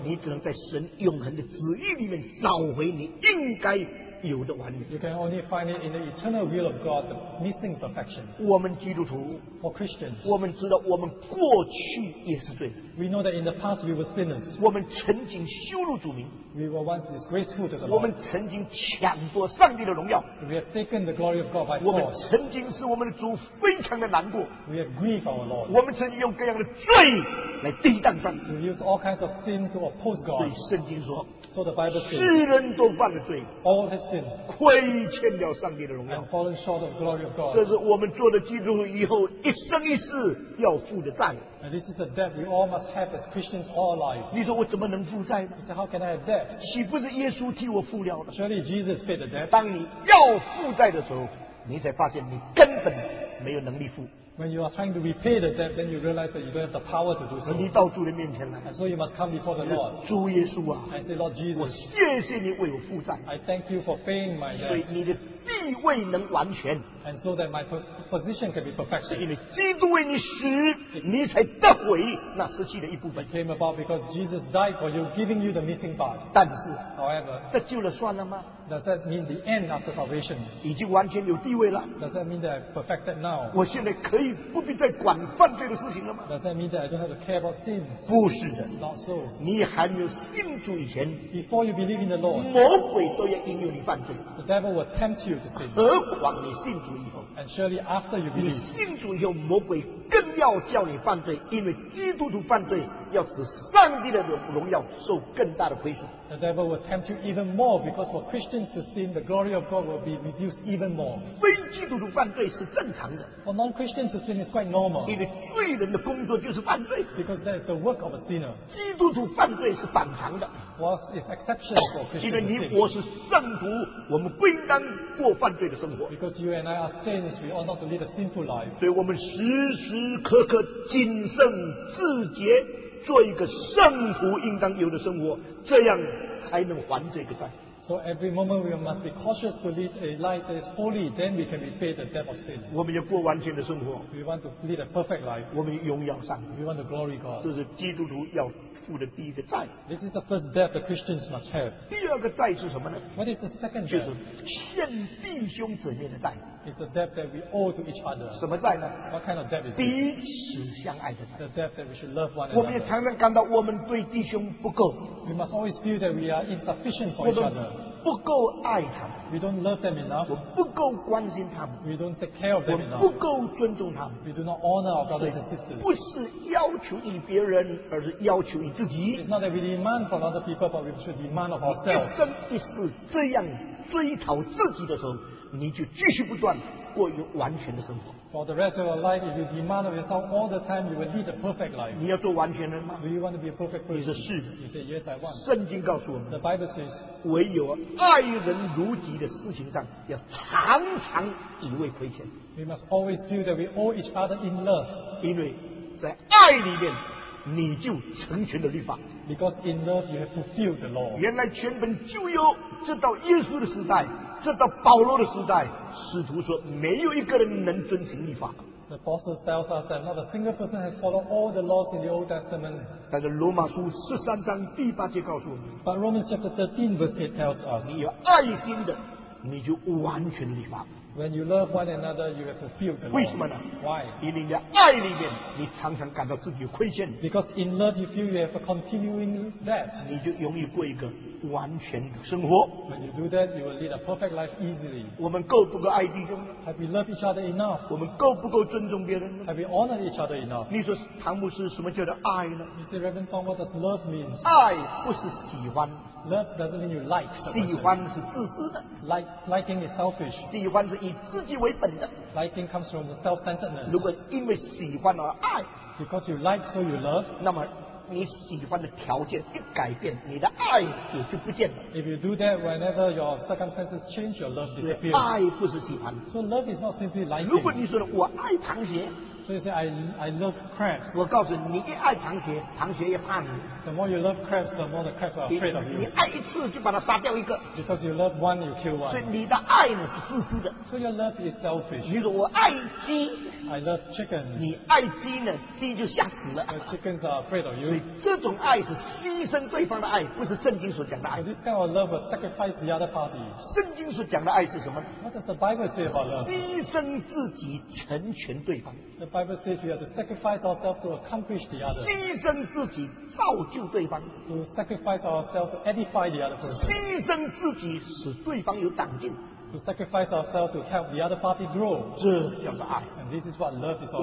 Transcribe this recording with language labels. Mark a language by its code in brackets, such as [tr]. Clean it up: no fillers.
[zh] 你只能在神永恒的旨意里面找回你应该有的完美。 [en] You can only find it in the eternal will of God, the missing perfection. [zh] 我们基督徒 [en] ，for Christians, [zh] 我们知道我们过去也是罪。 [en] We know that in the past we were sinners. [zh] 我们曾经羞辱主名。 [en] We were once disgraceful to the Lord. [zh] 我们曾经抢夺上帝的荣耀。 [en] We have taken the glory of God by force. [zh] 我们曾经使我们的主非常的难过。 [en] We have grieved our Lord. [zh] 我们曾经用各样的罪来抵挡上帝。 [en] We use all kinds of sin to oppose God. [zh] 所以圣经说。 [en] So the Bible says, [zh] 世人都犯了罪， [en] all has sinned, [zh] 亏欠了上帝的荣耀， [en] and fallen short of glory of God. [zh] 这是我们做了基督徒以后一生一世要付的债。 [en] And this is the debt we all must have as Christians all alive. [zh] 你说我怎么能负债呢？ [en] You say, how can I have debt? [zh] 岂不是耶稣替我付了的？ [en] Surely Jesus paid the debt. [zh] 当你要负债的时候，你才发现你根本没有能力付。 [en] When you are trying to repay the debt, then you realize that you don't have the power to do so. [zh] 你到主的面前来。 [en] And so you must come before the Lord. [zh] 主耶稣啊。 [en] I say, Lord Jesus. [zh] 我谢谢你为我付债。 [en] I thank you for paying my debt. [zh] 所以你的地位能完全。 [en] And so that my position can be perfected. [zh] 是因为基督为你死，你才得回那失去的一部分。 [en] It came about because Jesus died for you, giving you the missing part. [zh] 但是 [en] ，However， [zh] 得救了算了吗？ [en] Does that mean the end after salvation? [zh] 已经完全有地位了。 [en] Does that mean that I've perfected now? [zh] 我现在可以不必再管犯罪的事情了吗？ [en] Does that mean that I don't have to care about sin? [zh] 不是的。 [en] Not so. [zh] 你还没有信主以前 [en] ，Before you believe in the Lord， [zh] 魔鬼都要引诱你犯罪。 [en] The devil will tempt you to sin. [zh] 何况你信主。 [en] And surely after you believe, [zh] 你信主以后，魔鬼更要叫你犯罪，因为基督徒犯罪要使上帝的荣耀受更大的亏损。 [en] The devil will tempt you even more, because for Christians to sin, the glory of God will be reduced even more. [zh] 非基督徒犯罪是正常的。 [en] For non-Christians to sin is quite normal. [zh] 因为罪人的工作就是犯罪。 [en] Because that is the work of a sinner. [zh] 基督徒犯罪是反常的。 [en] Was is exceptional for Christians. [zh] 因为你我是圣徒，我们不应当过犯罪的生活。 [en] Because you and I are saints, we ought not to lead a sinful life. [zh] 所以我们时时刻刻谨慎自洁。做一个圣徒应当有的生活，这样才能还这个债。 [en] So every moment we must be cautious to lead a life that is holy, then we can repay the debt of sin. [zh] 我们要过完全的生活。 [en] We want to lead a perfect life. [zh] 我们荣耀上帝。 [en] We want to glory God. [zh] 这是基督徒要付的第一个债。 [en] This is the first debt the Christians must have. [zh] 第二个债是什么呢 [en] ？What is the second debt? [zh] 就是欠弟兄姊妹的债。 [en] It's the debt that we owe to each other. [zh] 什么债呢 [en] ？What kind of debt is it? [zh] 彼此相爱的债。 [en] The debt that we should love one another. [zh] 我们也常常感到我们对弟兄不够。 [en] We must always feel that we are insufficient for each other. [zh] 不够爱他们。 [en] We don't love them enough. [zh] 我不够关心他们。 [en] We don't take care of them enough. [zh] 不够尊重他们。 [en] We do not honor our brothers and sisters. [zh] 不是要求于别人，而是要求于自己。 [en] It's not that we demand from other people, but we should demand of ourselves. [zh] 一生一世这样追讨自己的时候。你就继续不断过一个完全的生活。 [en] For the rest of your life, if you demand of yourself all the time, you will lead a perfect life. [zh] 你要做完全人吗 [en] ？Do you want to be a perfect person? [zh] 你说是。 [en] You say yes, I want. [zh] 圣经告诉我们 [en] ，The Bible says， [zh] 唯有爱人如己的事情上，要常常以为亏欠。 [en] We must always feel that we owe each other in love. [zh] 因为在爱里面，你就成全了律法。 [en] Because in love, you have fulfilled the law. [zh] 原来全本旧约直到耶稣的时代。这到保罗的时代，使徒说没有一个人能遵行律法。 [en] The apostle tells us that not a single person has followed all the laws in the Old Testament. [zh] 但是罗马书十三章第八节告诉我们。 [en] But Romans chapter 13 verse 8 tells us, [zh] 你有爱心的，你就完全律法。 [en] When you love one another, you have fulfilled the law. [zh] 为什么呢 [en] ？Why? [zh] 因为你的爱里面，你常常感到自己亏欠。 [en] Because in love, you feel you have a continuing debt. [zh] 你就容易过一个完全的生活。 [en] When you do that, you will lead a perfect life easily. [zh] 我们够不够爱弟兄 [en] ？Have we loved each other enough? [zh] 我们够不够尊重别人 [en] ？Have we honored each other enough? [zh] 你说唐牧师什么叫做爱呢 [en] ？You say Reverend Tom, what does love mean? [zh] 爱不是喜欢。 [en] Love doesn't mean you like. [zh] 喜欢是自私的。 [en] Liking is selfish. [zh] 喜欢是以自己为本的。 [en] Liking comes from the self-centeredness. [zh] 如果因为喜欢而爱 [en] ，because you like so you love， [zh] 那么你喜欢的条件一改变，你的爱也就不见了。 [en] If you do that, whenever your circumstances change, your love disappears. [zh] 爱不是喜欢。 [en] So love is not simply liking. [zh] 如果你说我爱螃蟹。 [en] So you say I love crabs. [zh] 我告诉你，你一爱螃蟹，螃蟹也怕你。 [en] The more you love crabs, the more the crabs are afraid of you. [zh] 你爱一次就把它杀掉一个。 [en] Because you love one, you kill one. [zh] 所以你的爱呢是自私的。 [en] So your love is selfish. [zh] 你说我爱鸡。 [en] I love chicken. [zh] 你爱鸡呢，鸡就吓死了。 [en] But chickens are afraid of you. [zh] 所以这种爱是牺牲对方的爱，不是圣经所讲的爱。 [en] So this kind of love will sacrifice the other party. [zh] 圣经所讲的爱是什么 [en] ？What does the Bible say about love? [zh] 牺牲自己成全对方。 [en] The Bible says we have to sacrifice ourselves to accomplish the other. [zh] 牺牲自己造就对方。 [en] To sacrifice ourselves to edify the other person. [zh] 牺牲自己使对方有长进。 [en] To sacrifice ourselves to help the other party grow. [zh] 这叫做爱。 [en] And this is what love is all about.